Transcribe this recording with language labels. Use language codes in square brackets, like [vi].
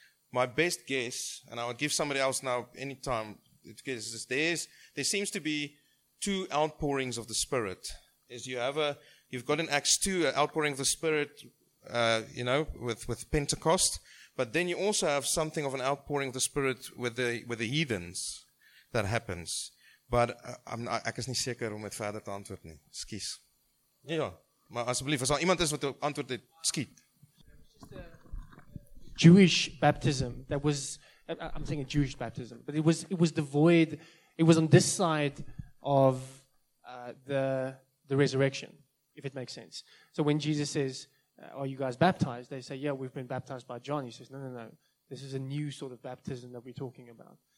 [en] My best guess, and I would give somebody else now any time to guess, is there seems to be two outpourings of the Spirit. Is you've got in Acts 2 an outpouring of the Spirit, with Pentecost, but then you also have something of an outpouring of the Spirit with the heathens that happens. [af] But ek is nie seker om dit verder te antwoord nie. Skies. Ja, maar asseblief, as daar iemand is wat 'n antwoord het, skiet. [en] Jewish baptism that was I'm saying a Jewish baptism, but it was devoid, it was on this side of the resurrection, if it makes sense. So when Jesus says, are you guys baptized? They say, yeah, we've been baptized by John. He says, no, this is a new sort of baptism that we're talking about.